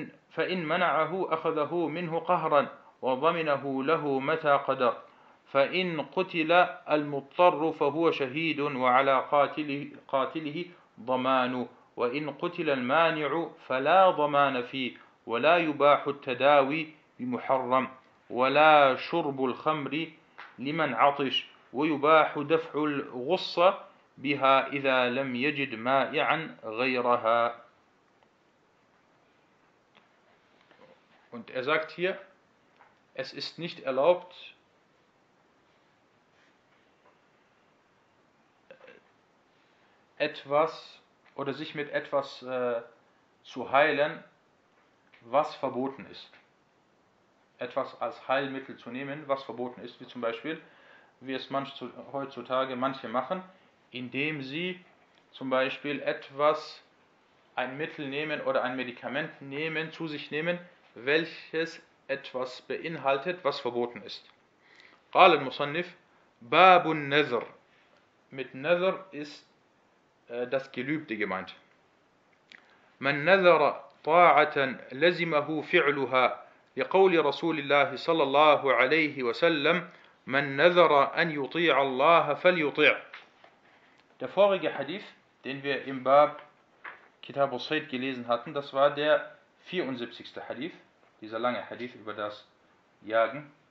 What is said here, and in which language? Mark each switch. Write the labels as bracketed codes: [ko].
[ar] فإن منعه أخذه منه قهرا وضمنه له متى قدر فإن قتل المضطر فهو شهيد وعلى قاتله ضمان وإن قتل المانع فلا ضمان فيه ولا يباح التداوي بمحرم ولا شرب الخمر لمن عطش ويباح دفع الغصة بها إذا لم يجد مائعا غيرها. [de] Und er sagt hier, es ist nicht erlaubt, etwas oder sich mit etwas zu heilen, was verboten ist. Etwas als Heilmittel zu nehmen, was verboten ist, wie zum Beispiel, wie es heutzutage manche machen, indem sie zum Beispiel etwas, ein Mittel nehmen oder ein Medikament nehmen, zu sich nehmen, welches etwas beinhaltet, was verboten ist. [ar] قال المصنف باب النذر. [de] Mit نذر ist das Gelübde gemeint. [ar] من نذر طاعة لزمه فعلها لقول رسول الله صلى الله عليه وسلم من نذر أن يطيع الله فليطيع. [de] Der vorige Hadith, den wir im Bab Kitab al-Sayyid gelesen hatten, das war der 74. Hadith, dieser lange Hadith über das Jagen.